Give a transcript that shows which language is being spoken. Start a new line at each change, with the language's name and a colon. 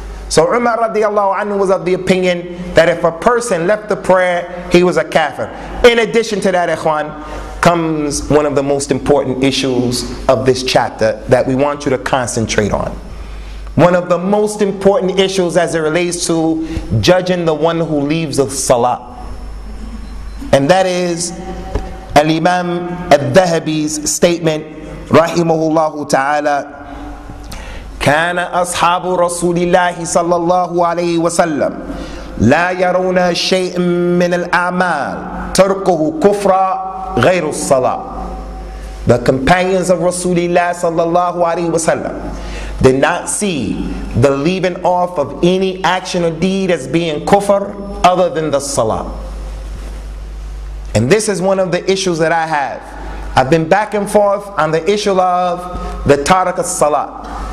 English: So Umar radiallahu anhu was of the opinion that if a person left the prayer, he was a kafir. In addition to that, ikhwan, comes one of the most important issues of this chapter that we want you to concentrate on. One of the most important issues as it relates to judging the one who leaves the salah. And that is Al-Imam al-Dhahabi's statement, rahimahullahu ta'ala,
Arabic: كان أصحاب رسول الله صلى الله عليه وسلم لا يرون شيء من الأعمال تركه كفرا غير الصلاة.
English: The companions of Rasulullah
Arabic: صلى الله عليه وسلم
English: did not see the leaving off of any action or deed as being kufr other than the salah. And this is one of the issues that I have. I've been back and forth on the issue of the tarak as-salah.